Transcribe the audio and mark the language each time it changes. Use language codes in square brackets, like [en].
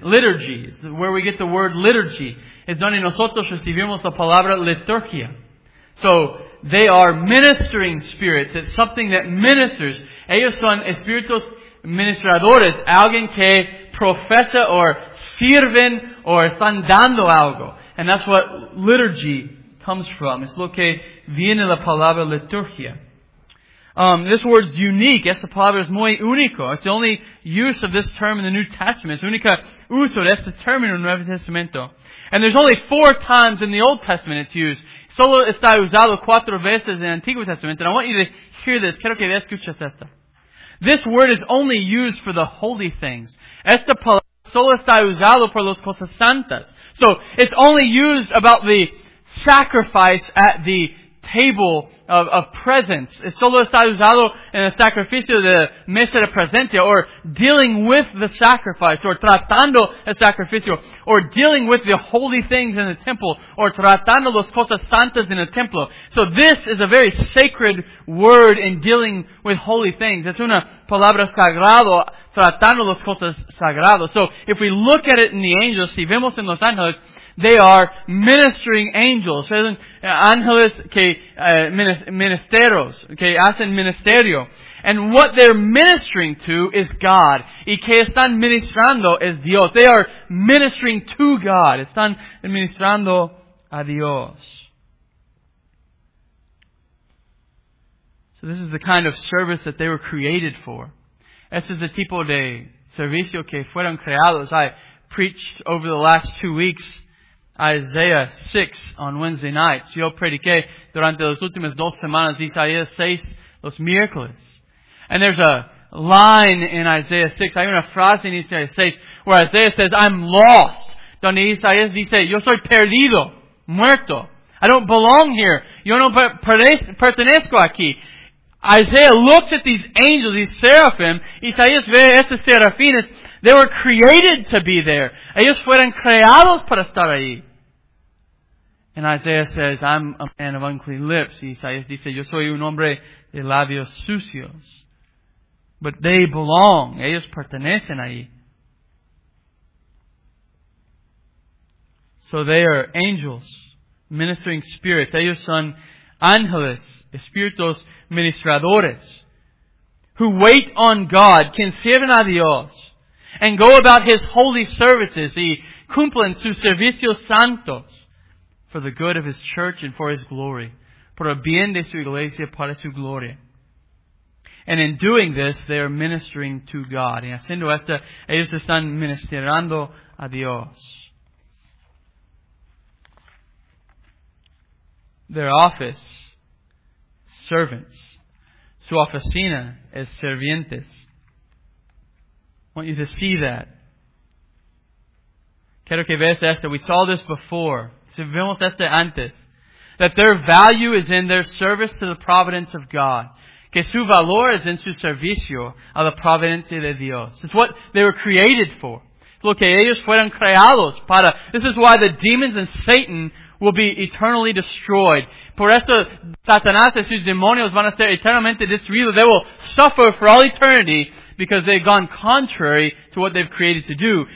[en] Liturgy is where we get the word liturgy. [es] Es donde nosotros recibimos la palabra liturgia. So, they are ministering spirits. It's something that ministers. Ellos son espíritus ministradores. Alguien que profesa o sirven o están dando algo. [en] And that's what liturgy comes from. [es] Es lo que viene la palabra liturgia. [en] This word's unique. [es] Esta palabra es muy único. [en] It's the only use of this term in the New Testament. [es] Es única uso de este término en el Nuevo Testamento. [en] And there's only 4 times in the Old Testament it's used. [es] Solo está usado 4 veces en el Antiguo Testamento. [en] And I want you to hear this. [es] Quiero que escuches esto. [en] This word is only used for the holy things. [es] Esta palabra solo está usado por las cosas santas. [en] So, it's only used about the sacrifice at the table of presence. [es] Es solo está usado en el sacrificio de mesa de presencia, [en] or dealing with the sacrifice, [es] or tratando el sacrificio, [en] or dealing with the holy things in the temple, [es] or tratando las cosas santas en el templo. [en] So this is a very sacred word in dealing with holy things. [es] Es una palabra sagrado, tratando las cosas sagradas. [en] So if we look at it in the angels, [es] si vemos en los ángeles, [en] they are ministering angels. [es] Ángeles que ministeros, que hacen ministerio. [en] And what they're ministering to is God. [es] Y que están ministrando es Dios. [en] They are ministering to God. [es] Están ministrando a Dios. [en] So this is the kind of service that they were created for. [es] Este es el tipo de servicio que fueron creados. [en] I preached over the last 2 weeks Isaiah 6 on Wednesday nights. [es] Yo prediqué durante las últimas 2 semanas Isaías 6, los miércoles. [en] And there's a line in Isaiah 6, [es] hay una frase en Isaías 6, [en] where Isaiah says, I'm lost. [es] Donde Isaías dice, yo soy perdido, muerto. [en] I don't belong here. [es] Yo no pertenezco aquí. [en] Isaiah looks at these angels, these seraphim. [es] Isaías ve estos serafines. [en] They were created to be there. [es] Ellos fueron creados para estar ahí. [en] And Isaiah says, I'm a man of unclean lips. [es] Y Isaías dice, yo soy un hombre de labios sucios. [en] But they belong. [es] Ellos pertenecen ahí. [en] So they are angels, ministering spirits. [es] Ellos son ángeles, espíritus ministradores, [en] who wait on God, [es] quien sirven a Dios, [en] and go about His holy services, [es] y cumplen sus servicios santos, [en] for the good of His church and for His glory. [es] Por el bien de su iglesia, para su gloria. [en] And in doing this, they are ministering to God. [es] Y haciendo esto, ellos están ministrando a Dios. [en] Their office, servants. [es] Su oficina es servientes. [en] I want you to see that. [es] Quiero que veas esto. [en] We saw this before. [es] Si vemos esto antes. [en] That their value is in their service to the providence of God. [es] Que su valor es en su servicio a la providencia de Dios. [en] It's what they were created for. [es] Lo que ellos fueron creados para. [en] This is why the demons and Satan will be eternally destroyed. [es] Por eso, Satanás y sus demonios van a ser eternamente destruidos. [en] They will suffer for all eternity because they've gone contrary to what they've created to do.